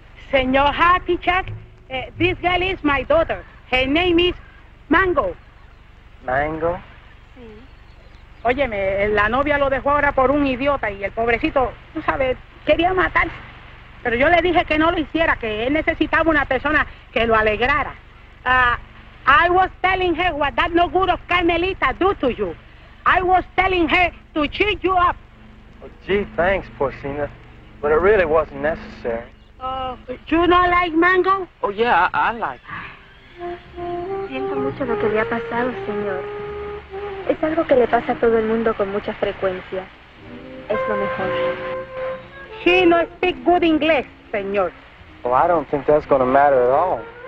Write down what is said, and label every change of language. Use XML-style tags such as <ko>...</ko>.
<en>Senor Happy Jack, this girl is my daughter. Her name is Mango.</en> <es>¿Mango? Sí. Óyeme, la novia lo dejó ahora por un idiota y el pobrecito, tú sabes, quería matarse. Pero yo le dije que no lo hiciera, que él necesitaba una persona que lo alegrara.</es> <en>I was telling her what that no good of Carmelita do to you. I was telling her to cheat you up. Oh, gee, thanks, Porcina. But it really wasn't necessary. Oh, you not like Mango? Oh, yeah, I like her.</en> <es>Siento mucho lo que le ha pasado, señor. Es algo que le pasa a todo el mundo con mucha frecuencia. Es lo mejor.</es> <en>She no speak good English, señor. Well, I don't think that's going to matter at all.</en>